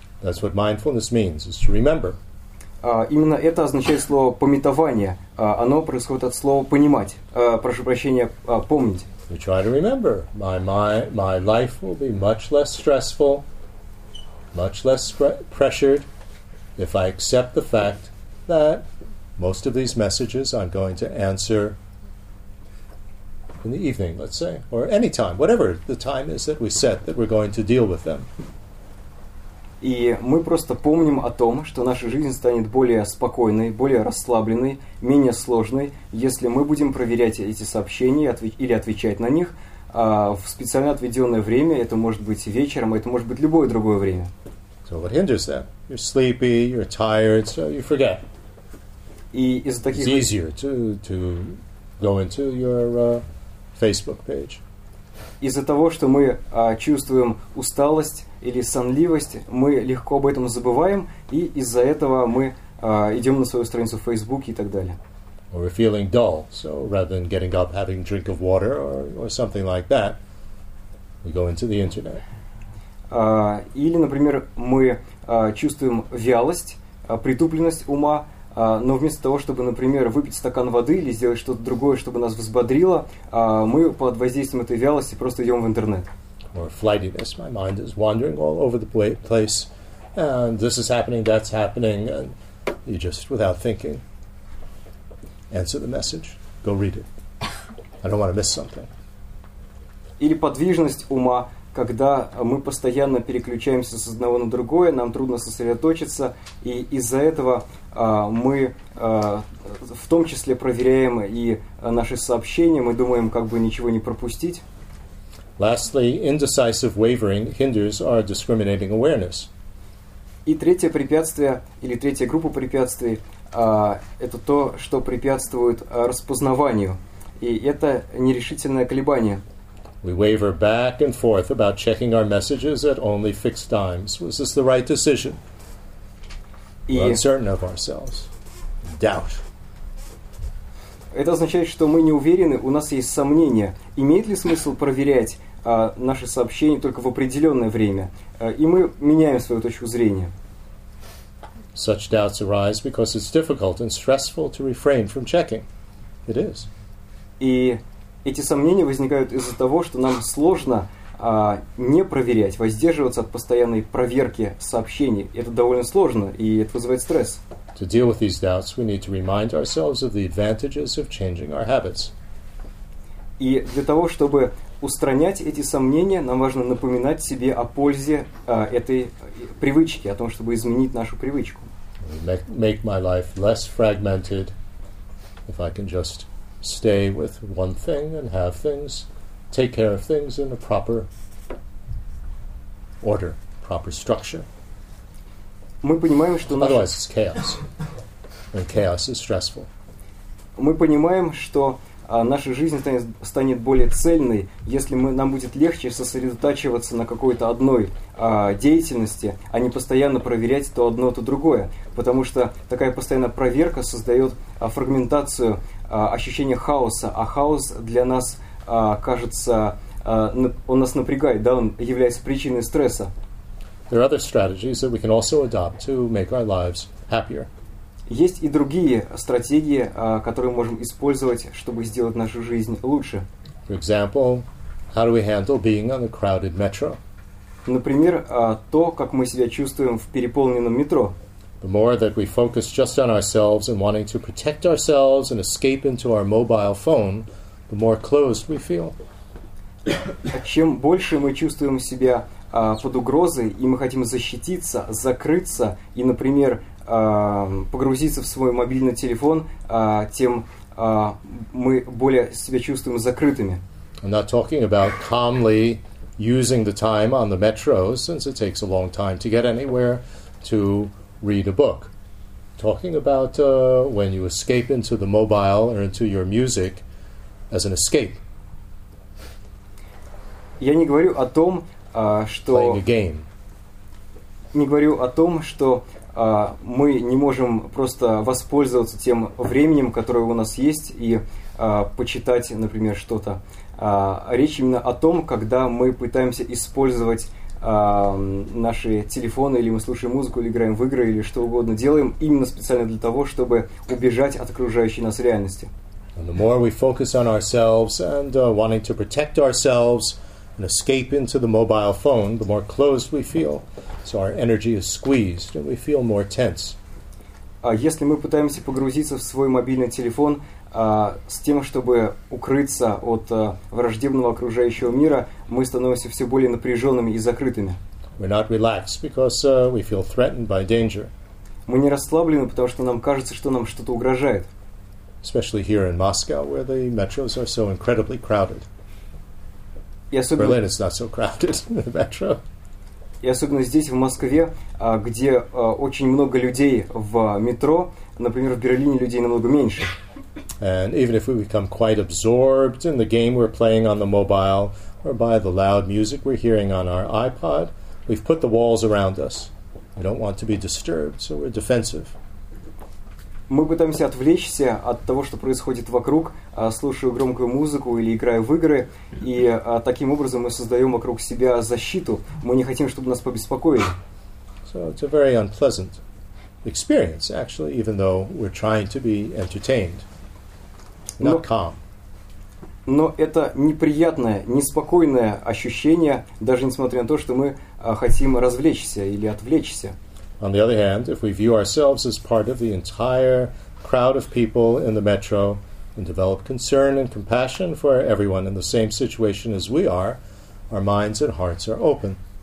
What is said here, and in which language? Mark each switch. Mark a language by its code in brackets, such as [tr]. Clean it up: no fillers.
[en] That's what mindfulness means, is to remember. [ru] Именно это означает слово «памятование». Оно происходит от слова «понимать». «Помнить». [en] We try to remember. My life will be much less stressful, much less pressured, if I accept the fact that most of these messages I'm going to answer in the evening, let's say, or any time, whatever the time is that we set, that we're going to deal with them. [ru] И мы просто помним о том, что наша жизнь станет более спокойной, более расслабленной, менее сложной, если мы будем проверять эти сообщения или отвечать на них в специально отведенное время. Это может быть вечером, это может быть любое другое время. [en] So what hinders that? You're sleepy, you're tired, so you forget. [ru] И из-за таких... [en] It's easier to go into your Facebook page. [ru] Из-за того, что мы чувствуем усталость или сонливость, мы легко об этом забываем, и из-за этого мы идем на свою страницу в Facebook и так далее. [en] Or we're feeling dull, so rather than getting up, having a drink of water or something like that, we go into the internet. [ru] Или, например, мы чувствуем вялость, притупленность ума, но вместо того, чтобы, например, выпить стакан воды или сделать что-то другое, чтобы нас взбодрило, мы под воздействием этой вялости просто идем в интернет. [en] Or flightiness. My mind is wandering all over the place, and this is happening, that's happening, and you just, without thinking, answer the message, go read it. I don't want to miss something. [ru] Или подвижность ума. Когда мы постоянно переключаемся с одного на другое, нам трудно сосредоточиться, и из-за этого мы в том числе проверяем и наши сообщения, мы думаем, как бы ничего не пропустить. [en] Lastly, indecisive wavering hinders our discriminating awareness. [ru] И третье препятствие, или третья группа препятствий, это то, что препятствует распознаванию, и это нерешительное колебание. [en] We waver back and forth about checking our messages at only fixed times. Was this the right decision? We're uncertain of ourselves. Doubt. [ru] Это означает, что мы не уверены, у нас есть сомнения. Имеет ли смысл проверять наши сообщения только в определенное время? И мы меняем свою точку зрения. [en] Such doubts arise because it's difficult and stressful to refrain from checking. It is. [ru] И эти сомнения возникают из-за того, что нам сложно не проверять, воздерживаться от постоянной проверки сообщений. Это довольно сложно, и это вызывает стресс. [en] To deal with these doubts, we need to remind ourselves of the advantages of changing our habits. [ru] И для того, чтобы устранять эти сомнения, нам важно напоминать себе о пользе этой привычки, о том, чтобы изменить нашу привычку. [en] Make my life less fragmented, if I can just stay with one thing and have things, take care of things in a proper order, proper structure. [ru] Мы понимаем, что [en] Otherwise, it's chaos. And chaos is stressful. [ru] Мы понимаем, что наша жизнь станет более цельной, если нам будет легче сосредотачиваться на какой-то одной деятельности, а не постоянно проверять то одно, то другое. Потому что такая постоянная проверка создает фрагментацию ощущения хаоса, а хаос для нас кажется, он нас напрягает, да, он является причиной стресса. [en] There are other strategies that we can also adopt to make our lives happier. [ru] Есть и другие стратегии, которые мы можем использовать, чтобы сделать нашу жизнь лучше. [en] For example, how do we handle being on a crowded metro? [ru] Например, то, как мы себя чувствуем в переполненном метро. [en] The more that we focus just on ourselves and wanting to protect ourselves and escape into our mobile phone, the more closed we feel. [ru] Чем больше мы чувствуем себя под угрозой, и мы хотим защититься, закрыться, и, например, погрузиться в свой мобильный телефон, тем мы более себя чувствуем закрытыми. [en] I'm not talking about calmly using the time on the metro, since it takes a long time to get anywhere to read a book. Talking about when you escape into the mobile or into your music as an escape. [ru] Я не говорю о том, что... [en] Playing a game. [ru] Не говорю о том, что мы не можем просто воспользоваться тем временем, которое у нас есть, и почитать, например, что-то. Речь именно о том, когда мы пытаемся использовать наши телефоны, или мы слушаем музыку, или играем в игры, или что угодно делаем, именно специально для того, чтобы убежать от окружающей нас реальности. [en] And the more we focus on ourselves and wanting to protect ourselves and escape into the mobile phone, the more closed we feel. So our energy is squeezed and we feel more tense. [ru] Если мы пытаемся погрузиться в свой мобильный телефон с тем, чтобы укрыться от враждебного окружающего мира, мы становимся все более напряженными и закрытыми. [en] We're not relaxed because we feel threatened by danger. [ru] Мы не расслаблены, потому что нам кажется, что нам что-то угрожает. [en] Especially here in Moscow, where the metros are so incredibly crowded. Berlin is not so crowded in the metro. [ru] И особенно здесь, в Москве, где очень много людей в метро, например, в Берлине людей намного меньше. [en] And even if we become quite absorbed in the game we're playing on the mobile or by the loud music we're hearing on our iPod, we've put the walls around us. We don't want to be disturbed, so we're defensive. [ru] Мы пытаемся отвлечься от того, что происходит вокруг, слушая громкую музыку или играя в игры, и таким образом мы создаем вокруг себя защиту. Мы не хотим, чтобы нас побеспокоили. [en] So it's a very unpleasant experience, actually, even though we're trying to be entertained. Not calm. [ru] Но это неприятное, неспокойное ощущение, даже несмотря на то, что мы хотим развлечься или отвлечься. [en] On the other hand, if we view ourselves as part of the entire crowd of people in the metro and develop concern and compassion for everyone in the same situation as we are, our minds and hearts are open.